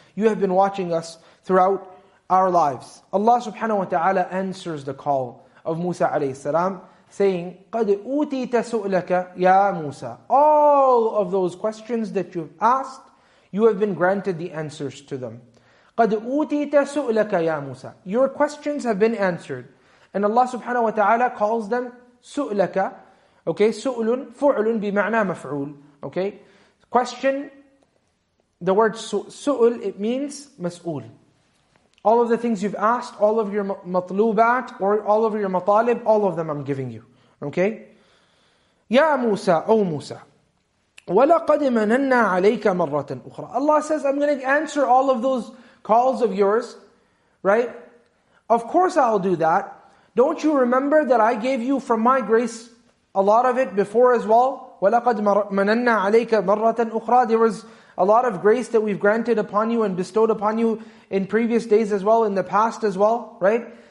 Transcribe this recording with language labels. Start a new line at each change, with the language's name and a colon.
English: You have been watching us throughout our lives. Allah subhanahu wa ta'ala answers the call of Musa alayhi salam, saying,
Arabic: قَدْ أُوتِيتَ سُؤْلَكَ يَا مُوسَى.
English: All of those questions that you've asked, you have been granted the answers to them.
Arabic: قَدْ أُوتِيتَ سُؤْلَكَ يَا مُوسَى.
English: Your questions have been answered. And Allah subhanahu wa ta'ala calls them سُؤْلَكَ.
Arabic: Okay, سُؤْلٌ فُعْلٌ بِمَعْنَى مَفْعُولٌ.
English: Okay, question, the word سُؤْل, it means مَسْؤُولٌ. All of the things you've asked, all of your matlubat, or all of your matalib, all of them I'm giving you. Okay?
Arabic: Ya Musa,
English: O Musa,
Arabic: وَلَقَدْ مَنَنَّا عَلَيْكَ مَرَّةً أُخْرَى.
English: Allah says, I'm going to answer all of those calls of yours. Right? Of course I'll do that. Don't you remember that I gave you from my grace a lot of it before as well?
Arabic: وَلَقَدْ مَنَنَّا عَلَيْكَ مَرَّةً أُخْرَى.
English: There was a lot of grace that we've granted upon you and bestowed upon you in previous days as well, in the past as well, right?